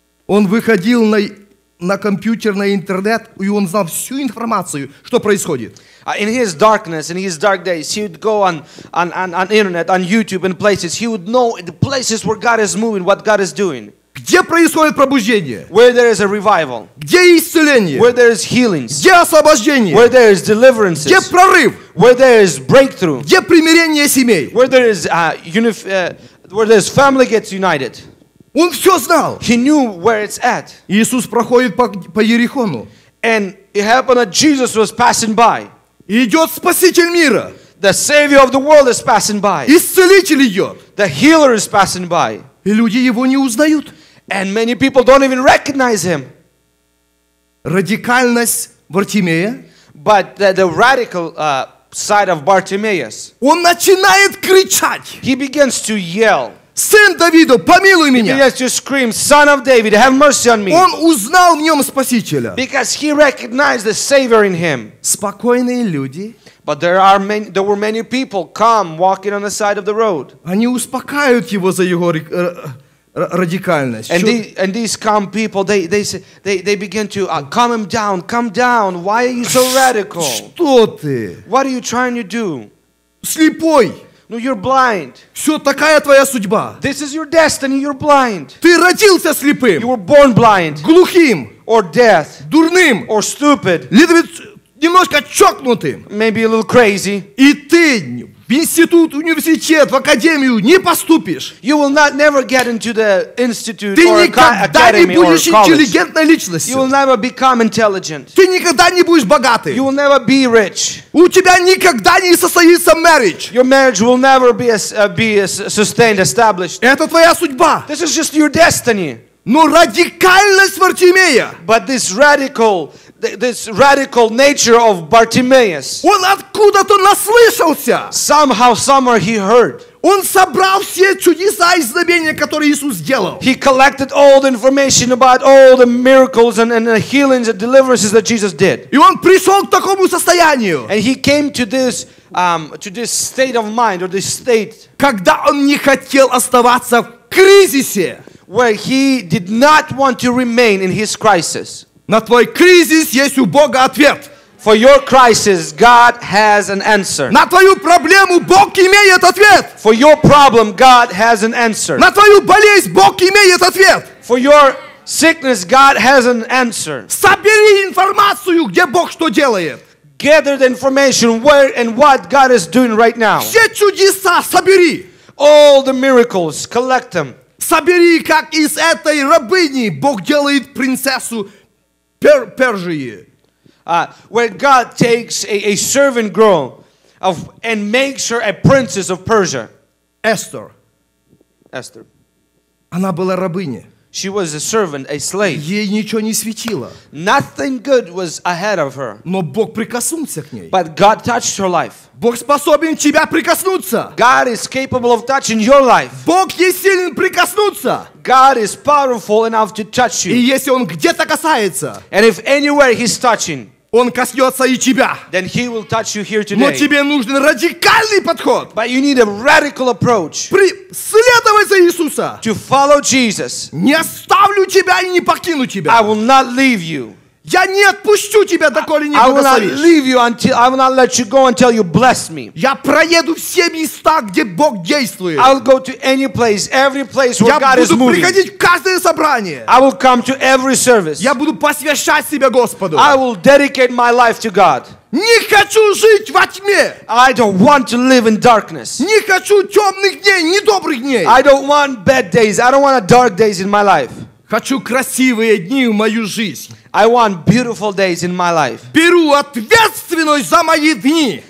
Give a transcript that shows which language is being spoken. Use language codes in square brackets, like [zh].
[ru] Он выходил на компьютер, на интернет, и он знал всю информацию, что происходит. [en] In his darkness, in his dark days, he would go on internet, on YouTube, in places. He would know the places where God is moving, what God is doing. [ru] Где происходит пробуждение? [en] Where there is a revival. [ru] Где исцеление? [en] Where there is healings. [ru] Где освобождение? [en] Where there is deliverances. [ru] Где прорыв? [en] Where there is breakthrough. [ru] Где примирение семей? [en] Where there is family gets united. [ru] Он все знал. [en] He knew where it's at. [ru] Иисус проходит по Иерихону. [en] And it happened that Jesus was passing by. [ru] Идет Спаситель мира. [en] The Savior of the world is passing by. [ru] Исцелитель идет. [en] The healer is passing by. [ru] И люди его не узнают. [en] And many people don't even recognize him. [ru] Радикальность Бартимея. [en] But the radical side of Bartimaeus. [ru] Он начинает кричать. [en] He begins to yell. [ru] Сын Давида, помилуй меня. [en] He begins to scream, Son of David, have mercy on me. [ru] Он узнал в нем Спасителя. [en] Because he recognized the Savior in him. [ru] Спокойные люди. [en] But there were many people calm walking on the side of the road. [ru] Они успокаивают его за его радикальность. [en] And these calm people, they begin to calm him down. Calm down. Why are you so radical? [ru] Что ты? [en] What are you trying to do? [ru] Слепой. [en] No, you're blind. [ru] Все, такая твоя судьба. [en] This is your destiny, you're blind. [ru] Ты родился слепым. [en] You were born blind. [ru] Глухим. [en] Or deaf. [ru] Дурным. [en] Or stupid. [ru] Немножко чокнутым. [en] Maybe a little crazy. [ru] И ты в институт, университет, в академию не поступишь. [en] You will never get into the institute [ru] ты [en] or [ru] никогда не будешь интеллигентной личностью. [en] You will never become intelligent. [ru] Ты никогда не будешь богатым. [en] You will never be rich. [ru] У тебя никогда не состоится marriage. [en] Your marriage will never be sustained, established. [ru] Это твоя судьба. [en] This is just your destiny. [ru] Но радикальность Вартимея. [en] But this radical nature of Bartimaeus. [ru] Он откуда-то наслышался. [en] Somehow, somewhere he heard. [ru] Он собрал все чудеса и знамения, которые Иисус делал. [en] He collected all the information about all the miracles and the healings and deliverances that Jesus did. [ru] И он пришел к такому состоянию. [en] And he came to this state of mind or this state. [ru] Когда он не хотел оставаться в кризисе. [en] Where he did not want to remain in his crisis. [ru] На твой кризис есть у Бога ответ. [en] For your crisis, God has an answer. [ru] На твою проблему Бог имеет ответ. [en] For your problem, God has an answer. [ru] На твою болезнь Бог имеет ответ. [en] For your sickness, God has an answer. [ru] Собери информацию, где Бог что делает. [en] Gather the information where and what God is doing right now. [ru] Все чудеса собери. [en] All the miracles, collect them. [ru] Собери, как из этой рабыни Бог делает принцессу Персии. [en] Where God takes a servant girl of and makes her a princess of Persia. Esther. Esther. [ru] Она была рабыня. [en] She was a servant, a slave. [ru] Ей ничего не светило. [en] Nothing good was ahead of her. [ru] Но Бог прикоснулся к ней. [en] But God touched her life. [ru] Бог способен тебя прикоснуться. [en] God is capable of touching your life. [ru] Бог есть силен прикоснуться. [en] God is powerful enough to touch you. [ru] И если он где-то касается. [en] And if anywhere he's touching. [ru] Он коснется и тебя. [en] Then he will touch you here today. [ru] Но тебе нужен радикальный подход. [en] But you need a radical approach. [ru] Следовать за Иисуса. [en] To follow Jesus. [ru] Не оставлю тебя и не покину тебя. [en] I will not leave you. [ru] Я не отпущу тебя, доколе не благословишь. [en] I will not leave you until I will not let you go until you bless me. [ru] Я проеду все места, где Бог действует. [en] I will go to any place, every place where God is moving. [ru] Я буду приходить в каждое собрание. [en] I will come to every service. [ru] Я буду посвящать себя Господу. [en] I will dedicate my life to God. [ru] Не хочу жить во тьме. [en] I don't want to live in darkness. [ru] Не хочу темных дней, недобрых дней. [en] I don't want bad days. I don't want dark days in my life. [ru] Хочу красивые дни в мою жизнь. [en] I want beautiful days in my life. [ru] Беру ответственность за мои дни.